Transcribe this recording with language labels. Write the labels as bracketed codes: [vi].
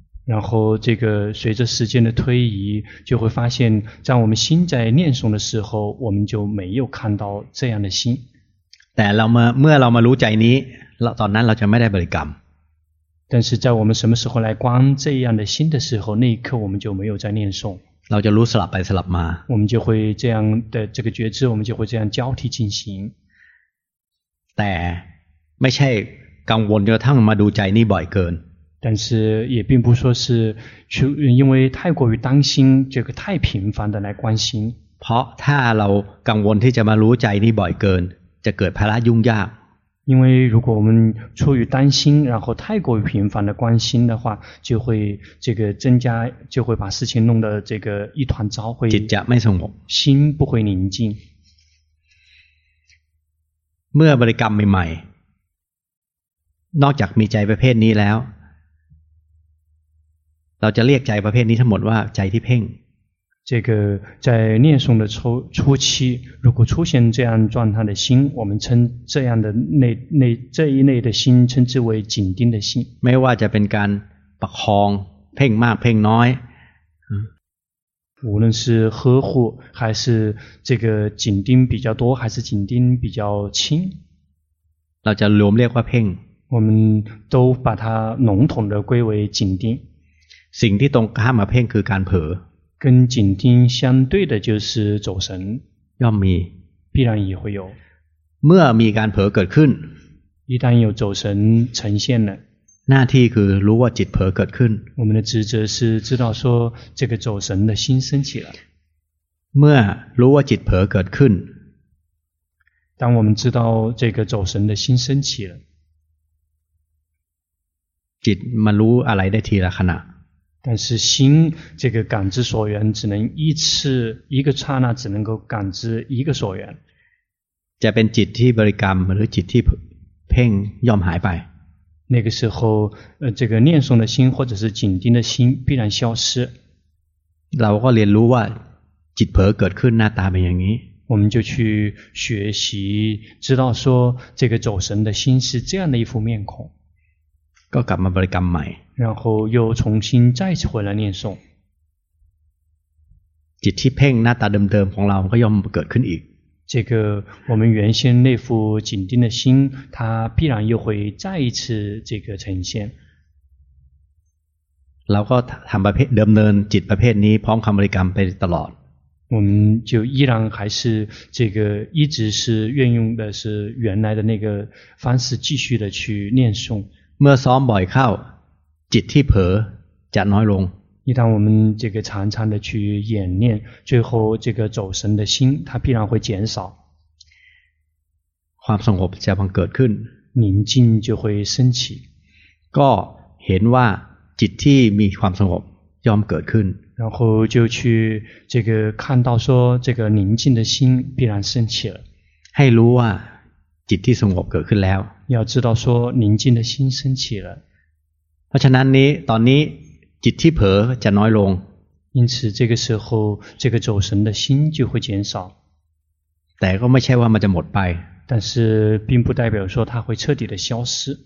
[zh] 然后这个随着时间的推移就会发现在我们心在念诵的时候我们就没有看到这样的心 [th] แต่เมื่อเรามารู้ใจนี้ตอนนั้นเราจะไม่ได้บริกรรม [zh] 但是在我们什么时候来观这样的心的时候那一刻我们就没有在念诵 [th] เราจะรู้สลับไปสลับมา [zh] 我们就会这样的这个觉知我们就会这样交替进行 [th] แต่ไม่ใช่กังวลจนกระทั่งมาดูใจนี้บ่อยเกิน [zh] 但是也并不说是因为太过于担心这个太频繁的来关心 [th] เพราะถ้าเรากังวลที่จะมารู้ใจนี้บ่อยเกินจะเกิดภาระยุ่งยาก [zh] 因为如果我们出于担心然后太过于频繁的关心的话就会这个增加就会把事情弄得这个一团糟会 [th] จิตจะไม่สงบ [zh] 心不会宁静 [th] เมื่อบริกรรมใหม่นอกจากมีใจประเภทนี้แล้วเราจะเรียกใจประเภทนี้ทั้งหมดว่าใจที่เพ่ง [zh] 这个在念诵的初期如果出现这样状态的心我们称这样的那这一类的心称之为紧盯的心 [th] ไม่ว่าจะเป็นการประคองเพ่งมากเพ่งน้อย [zh] 无论是呵护还是这个紧盯比较多还是紧盯比较轻 [th] เราจะรวมเรียกว่าเพ่ง [zh] 我们都把它笼统的归为紧盯 [th] สิ่งที่ตรงข้ามมาเพ่งคือการเผลอ [zh] 跟紧盯相对的就是走神 [th] ย่อมมี [zh] 必然也会有 [th] เมื่อมีการเผลอเกิดขึ้น [zh] 一旦有走神呈现了 [th] หน้าที่คือรู้ว่าจิตเผลอเกิดขึ้น [zh] 我们的职责是知道说这个走神的心升起了 [th] เมื่อรู้ว่าจิตเผลอเกิดขึ้น [zh] 当我们知道这个走神的心升起了 [th] จิตมารู้อะไรได้ทีละขณะ [zh] 但是心这个感知所缘只能一次一个刹那只能够感知一个所缘 [th] จะเป็นจิตที่บริกรรมหรือจิตที่เพ่งย่อมหายไป [zh] 那个时候这个念诵的心或者是紧盯的心必然消失 [th] เราก็เรียนรู้ว่าจิตเผลอเกิดขึ้นหน้าตาเป็นอย่างนี้ [zh] 我们就去学习知道说这个走神的心是这样的一副面孔 [th] ก็กลับมาบริกรรมใหม่ [zh] 然后又重新再次回来念诵 [th] จิตที่เพ่งหน้าตาเดิมๆของเราก็ย่อมเกิดขึ้นอีก [zh] 这个我们原先那副紧盯的心它必然又会再一次这个呈现 [th] เราก็ทำประเภทเดิมเนินจิตประเภทนี้พร้อมคำบริกรรมไปตลอด [zh] 我们就依然还是这个一直是运用的是原来的那个方式继续的去念诵 [th] เมื่อซ้อมบ่อยเข้าจิตที่เผลอจะน้อยลง [zh] 一旦我们这个常常的去演练最后这个走神的心它必然会减少 [th] ความสงบจะบังเกิดขึ้น [zh] 宁静就会升起 [th] ก็เห็นว่าจิตที่มีความสงบย่อมเกิดขึ้น [zh] 然后就去这个看到说这个宁静的心必然升起了 [th] ให้รู้ว่าจิตที่สงบเกิดขึ้นแล้ว [zh] 要知道说宁静的心升起了 [th] เพราะฉะนั้นนี้ตอนนี้จิตที่เผลอจะน้อยลง [zh] 因此这个时候这个走神的心就会减少 [th] แต่ก็ไม่ใช่ว่ามันจะหมดไป [zh] 但是并不代表说它会彻底的消失